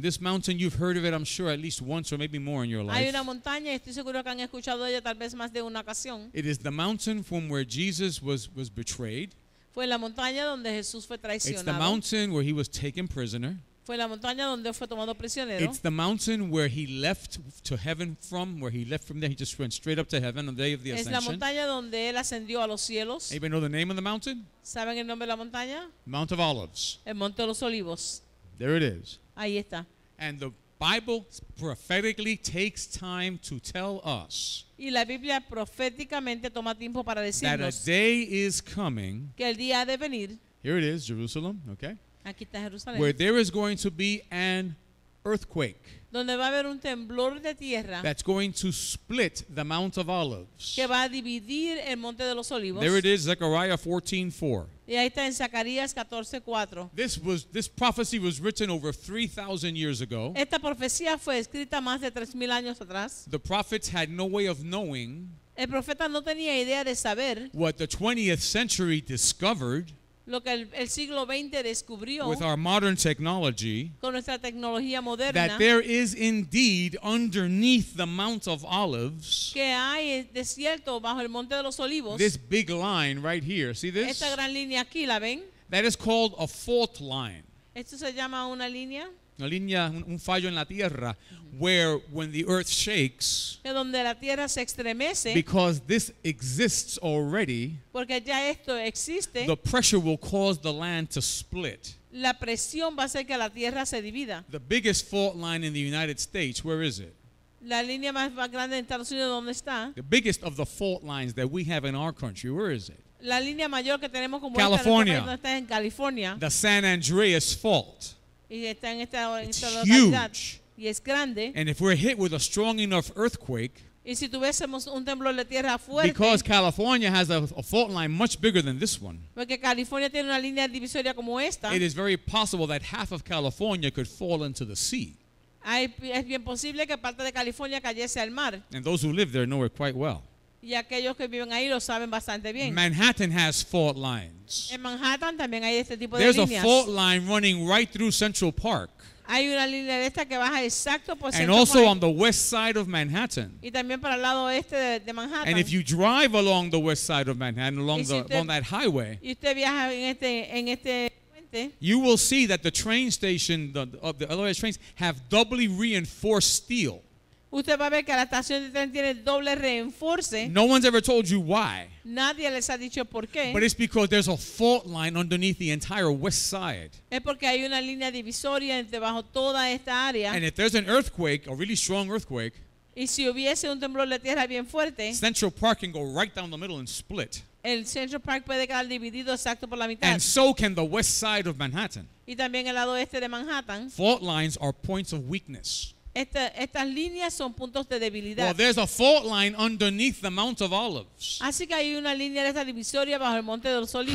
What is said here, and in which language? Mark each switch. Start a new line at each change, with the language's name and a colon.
English: This mountain, you've heard of it, I'm sure, at least once or maybe more in your life.
Spanish: Hay una montaña, estoy seguro que han escuchado de ella tal vez más de una ocasión.
English: It is the mountain from where Jesus was betrayed.
Spanish: Fue la montaña donde Jesús fue traicionado.
English: It's the mountain where he was taken prisoner.
Spanish: Fue la montaña donde fue tomado prisionero.
English: It's the mountain where he left to heaven from, where he left from there. He just went straight up to heaven on the day of the ascension.
Spanish: Es la montaña donde él ascendió a los cielos.
English: Anybody know the name of the mountain?
Spanish: ¿Saben el nombre de la montaña?
English: Mount of Olives.
Spanish: El Monte de los Olivos.
English: There it is.
Spanish: Ahí está.
English: And the Bible prophetically takes time to tell us.
Spanish: Y la Biblia proféticamente toma tiempo para decirnos.
English: That a day is coming.
Spanish: Que el día ha de venir.
English: Here it is, Jerusalem, okay?
Spanish: Aquí está Jerusalén.
English: Where there is going to be an earthquake.
Spanish: Donde va a haber un temblor de tierra.
English: That's going to split the Mount of Olives.
Spanish: Que va a dividir el Monte de los Olivos.
English: There it is, Zechariah 14:4.
Spanish: Y ahí está en Zacarías 14:4.
English: This prophecy was written over 3,000 years ago.
Spanish: Esta profecía fue escrita más de 3,000 años atrás.
English: The prophets had no way of knowing.
Spanish: El profeta no tenía idea de saber.
English: What the 20th century discovered.
Spanish: lo que el siglo XX descubrió,
English: with our modern technology,
Spanish: con nuestra tecnología moderna,
English: that there is indeed underneath the Mount of Olives,
Spanish: que hay desierto bajo el Monte de los Olivos,
English: this big line right here, see this?
Spanish: Esta gran línea aquí, ¿la ven?
English: That is called a fault line.
Spanish: Esto se llama una línea. Una línea, un fallo en la tierra,
English: where when the earth shakes,
Spanish: que donde la tierra se estremece,
English: because this exists already,
Spanish: porque ya esto existe,
English: the pressure will cause the land to split.
Spanish: La presión va a hacer que la tierra se divida.
English: The biggest fault line in the United States, where is it?
Spanish: La línea más grande en Estados Unidos, ¿dónde está?
English: The biggest of the fault lines that we have in our country, where is it?
Spanish: La línea mayor que tenemos como California. Esta, está en California.
English: The San Andreas Fault. It's huge. And if we're hit with a strong enough earthquake,
Spanish: y si tuviésemos un temblor de tierra fuerte,
English: because California has a fault line much bigger than this one,
Spanish: porque California tiene una línea divisoria como esta,
English: it is very possible that half of California could fall into the sea.
Spanish: Es bien posible que parte de California cayese al mar.
English: And those who live there know it quite well.
Spanish: Y aquellos que viven ahí lo saben bastante bien.
English: Manhattan has fault lines.
Spanish: En Manhattan también hay este tipo de
English: There's
Spanish: líneas.
English: There's a fault line running right through Central Park.
Spanish: Hay una línea de esta que baja exacto por
English: And also on the west side of Manhattan.
Spanish: Y también para el lado oeste de Manhattan.
English: And if you drive along the west side of Manhattan along on that highway,
Spanish: y usted viaja en este puente,
English: you will see that the train station, the elevated trains, have doubly reinforced steel.
Spanish: Usted va a ver que la estación de tren tiene doble reinforce.
English: No one's ever told you why.
Spanish: Nadie les ha dicho por qué.
English: But it's because there's a fault line underneath the entire west side.
Spanish: Es porque hay una línea divisoria debajo toda esta área.
English: And if there's an earthquake, a really strong earthquake,
Spanish: y si hubiese un temblor de tierra bien fuerte,
English: Central Park can go right down the middle and split.
Spanish: El Central Park puede quedar dividido exacto por la mitad.
English: And so can the west side of Manhattan.
Spanish: Y también el lado este de Manhattan.
English: Fault lines are points of weakness.
Spanish: Estas líneas son puntos de debilidad.
English: Well, there's a fault line underneath the Mount of Olives.
Spanish: Así que hay una línea de esta divisoria bajo el Monte de los Olivos.